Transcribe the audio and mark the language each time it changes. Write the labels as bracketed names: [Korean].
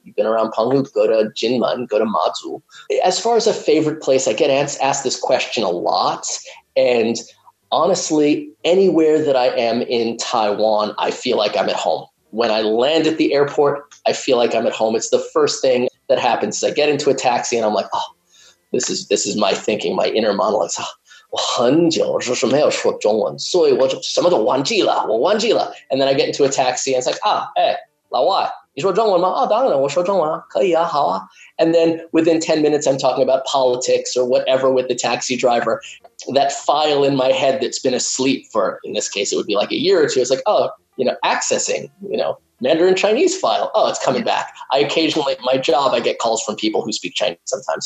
[English] You've been around Penghu, go to Jinmen, go to Mazu. As far as a favorite place, I get asked this question a lot. And honestly, anywhere that I am in Taiwan, I feel like I'm at home. When I land at the airport, I feel like I'm at home. It's the first thing that happens. I get into a taxi and I'm like, oh, this is my thinking, my inner monologue. [Chinese] Oh, 我很久就是没有说中文，所以我就什么都忘记了，我忘记了。 [English] And then I get into a taxi and it's like, ah, hey, [Chinese] 老外，你说中文吗？哦，当然了，我说中文，可以啊，好啊。 [English] And then within 10 minutes, I'm talking about politics or whatever with the taxi driver. That file in my head that's been asleep for, in this case, it would be like a year or two. It's like, oh, you know, accessing, you know, Mandarin Chinese file. Oh, it's coming back. I occasionally, my job, I get calls from people who speak Chinese sometimes.